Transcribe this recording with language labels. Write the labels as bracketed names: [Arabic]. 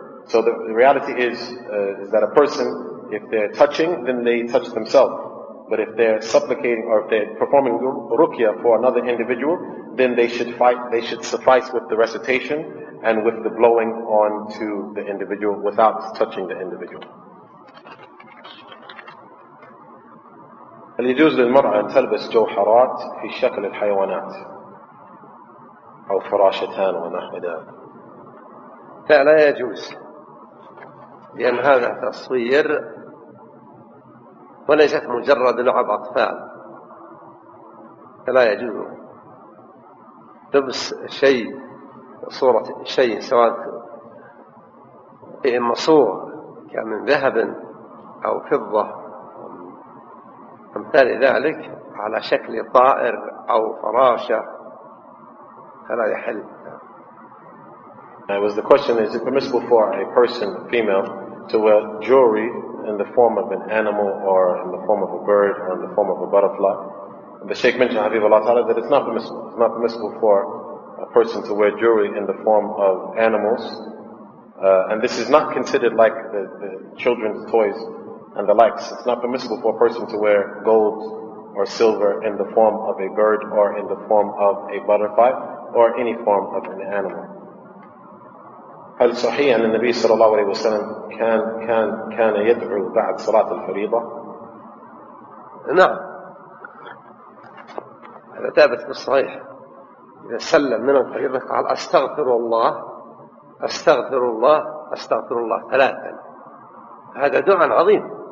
[English] So the reality is that a person, if they're touching, then they touch themselves. But if they're supplicating or if they're performing ruqya for another individual, then they should suffice with the recitation and with the blowing on to the individual without touching the individual. [Arabic] هل يجوز للمرأة أن تلبس جوهرات في شكل الحيوانات أو فراشتان ونحو ذلك؟ لا يجوز. لأن هذا تصوير وليست مجرد لعب أطفال، فلا يجوز لبس شيء صورة شيء سواء في مصور كمن ذهب أو فضة أمثال ذلك على شكل طائر أو فراشة، فلا يحل. [English] Was the question, is it permissible for a person, a female, to wear jewelry in the form of an animal or in the form of a bird or in the form of a butterfly? And the Shaykh mentioned, Habibullah Ta'ala, that it's not permissible. It's not permissible for a person to wear jewelry in the form of animals. And this is not considered like the children's toys and the likes. It's not permissible for a person to wear gold or silver in the form of a bird or in the form of a butterfly or any form of an animal. [Arabic] هل صحيح أن النبي صلى الله عليه وسلم كان يدعو بعد صلاة الفريضة؟ نعم، هذا ثابت بالصحيح. إذا سلم من الفريضة قال أستغفر الله أستغفر الله أستغفر الله ثلاثا، هذا دعاء عظيم.